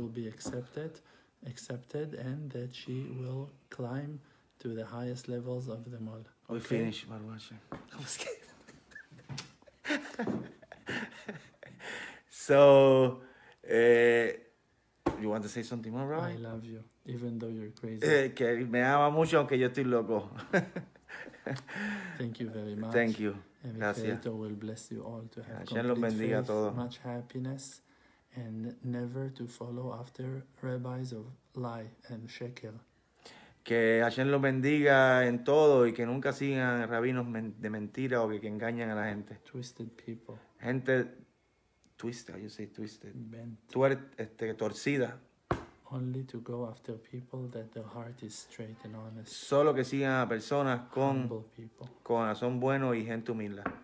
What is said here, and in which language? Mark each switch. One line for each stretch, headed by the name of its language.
English: Will be accepted, and that she will climb to the highest levels of them all. Okay? We finish, Marwasha. I'm scared. So, you want to say something more, Rabbi? I love you, even though you're crazy.
Spanish: Que me ama mucho, aunque yo estoy loco.
English: Thank you very much. Thank you. And the Creator will bless you all to have complete faith, much happiness, and never to follow after rabbis of lie and shekel.
Spanish: Que Hashem lo bendiga en todo y que nunca sigan rabinos de mentira o que engañan a la gente.
English: Twisted people. Gente twisted, you say twisted. Bent.
Spanish: Torcida.
English: Only to go after people that their heart is straight and honest.
Spanish: Solo que sigan a personas con
English: humble people.
Spanish: Corazón bueno y gente humilde.